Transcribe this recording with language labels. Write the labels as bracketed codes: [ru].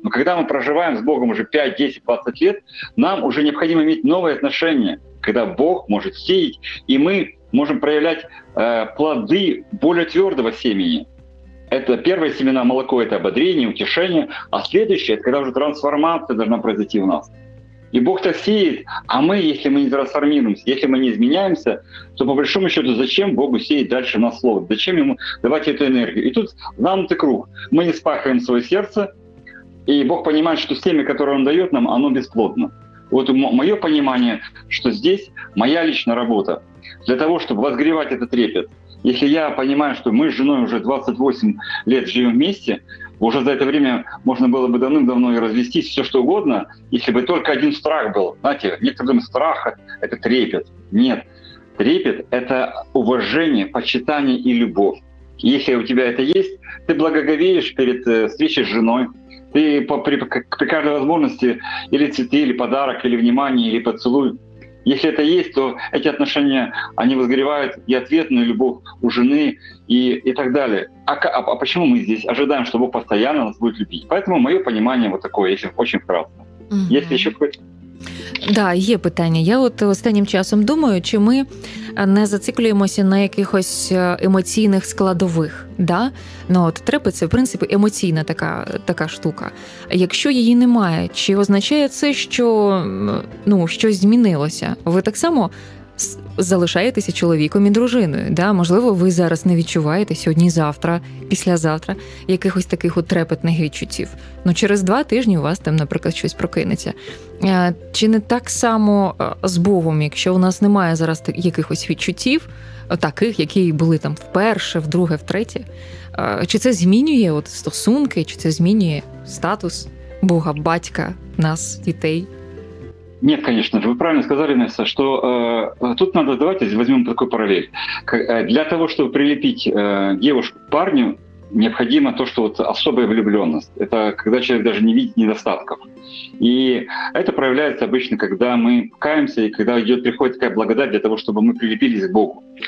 [ru] Но когда мы проживаем с Богом уже 5, 10, 20 лет, нам уже необходимо иметь новые отношения, когда Бог может сеять, и мы можем проявлять плоды более твердого семени. Это первые семена, молоко – это ободрение, утешение, а следующее – это когда уже трансформация должна произойти у нас. [uk] І Бог так сіють, а ми, якщо ми не трансформуємося, якщо ми не зміняємося, то [ru] по большому счету, зачем Богу [uk] сіять далі на слово? [ru] Зачем [uk] йому давати цю енергію? І тут замкнутий круг. Ми не спахаємо своє серце, і Бог розуміє, що сім'я, яке він дає нам, воно безплодне. От моє розуміння, що тут моя лична робота для того, щоб розігрівати цей трепет. Якщо я розумію, що ми з жіною вже 28 років живемо разом, [ru] уже за это время можно было бы давным-давно и развестись, все что угодно, если бы только один страх был. Знаете, некоторые думают, страх – это трепет. Нет, трепет – это уважение, почитание и любовь. Если у тебя это есть, ты благоговеешь перед встречей с женой, ты при каждой возможности или цветы, или подарок, или внимание, или поцелуй. Если это есть, то эти отношения, они возгревают и ответную любовь у жены и так далее. А почему мы здесь ожидаем, что Бог постоянно нас будет любить? Поэтому мое понимание вот такое, если очень кратко. Угу. Есть еще какое-то? [uk] Да, є питання. Я от останнім часом думаю, чи ми не зациклюємося на якихось емоційних складових, да? Ну от трепет – це, в принципі, емоційна така штука. Якщо її немає, чи означає це, що, ну, щось змінилося? Ви так само залишаєтеся чоловіком і дружиною, да? Можливо, ви зараз не відчуваєте сьогодні-завтра, післязавтра якихось таких от трепетних відчуттів. Ну, через два тижні у вас там, наприклад, щось прокинеться. Чи не так само з Богом, якщо у нас немає зараз якихось відчуттів, таких, які були там вперше, вдруге, втретє, чи це змінює от стосунки, чи це змінює статус Бога, батька, нас, дітей? [ru] Нет, конечно же, вы правильно сказали, Неса, что тут надо, давайте возьмем такую параллель. Для того, чтобы прилепить девушку к парню, необходимо то, что вот особая влюбленность. Это когда человек даже не видит недостатков. И это проявляется обычно, когда мы каемся, и когда приходит такая благодать для того, чтобы мы прилепились к Богу.